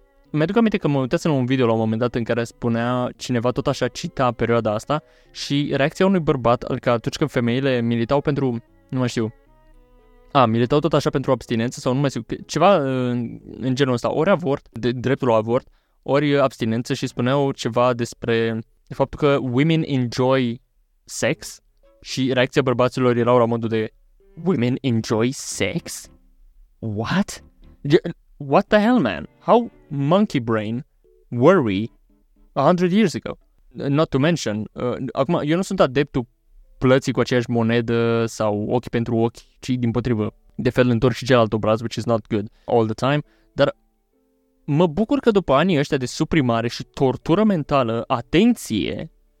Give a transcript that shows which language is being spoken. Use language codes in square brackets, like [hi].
[ro] Mi-aduc aminte că mă uitasem la un video la un moment dat în care spunea cineva tot așa cita perioada asta și reacția unui bărbat, adică atunci când femeile militau pentru, nu mai știu, militau tot așa pentru abstinență sau nu mai știu, ceva în genul ăsta, ori avort, dreptul la avort, ori abstinență și spuneau ceva despre faptul că [en] women enjoy sex [ro] și reacția bărbaților erau la modul de women enjoy sex? [en] What? What the hell, man? How monkey brain were we 100 years ago? Not to mention, [ro] acum, eu nu sunt adeptul plății cu aceeași monedă sau ochi pentru ochi, ci din potrivă, de fel întorci și celălalt obraz, [en] which is not good all the time, [ro] dar mă bucur că după anii ăștia de suprimare și tortură mentală, atenție,